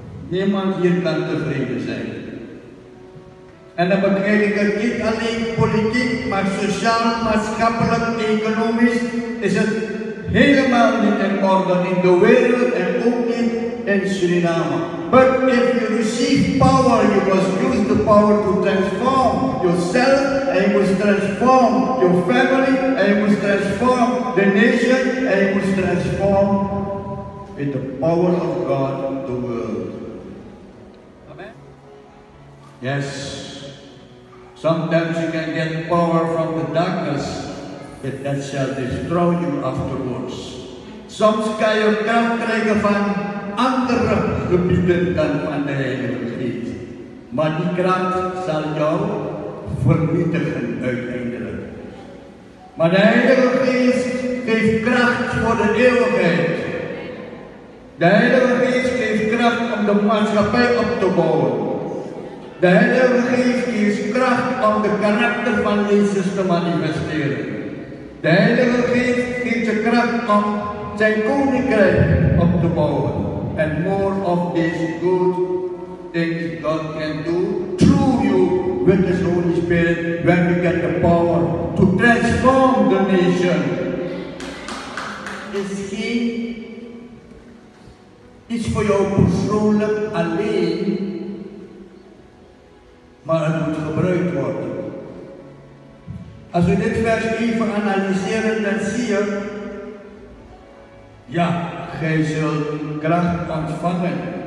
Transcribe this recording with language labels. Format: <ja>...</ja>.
<nl>Niemand hier kan tevreden zijn. En dan begrijp ik het niet alleen politiek, maar sociaal, maatschappelijk, economisch is het helemaal niet in orde in de wereld en ook niet in Suriname.</nl> <en>But if you receive power, you must use the power to transform yourself and you must transform your family and you must transform the nation and you must transform with the power of God the world. Yes, sometimes you can get power from the darkness, but that shall destroy you afterwards.</en> <nl>Soms kan je kracht krijgen van andere gebieden dan van de Heilige Geest. Maar die kracht zal jou vernietigen uiteindelijk. Maar de Heilige Geest geeft kracht voor de eeuwigheid. De Heilige Geest geeft kracht om de maatschappij op te bouwen. De Heilige Geest geeft kracht om de karakter van Jezus te manifesteren. De Heilige Geest geeft je kracht om zijn koninkrijk op te bouwen.</nl> <en>And more of these good things God can do through you with His Holy Spirit when you get the power to transform the nation.</en> <nl>Is He iets voor jou persoonlijk alleen? Maar het moet gebruikt worden. Als we dit vers even analyseren, dan zie je, ja, gij zult kracht ontvangen.</nl>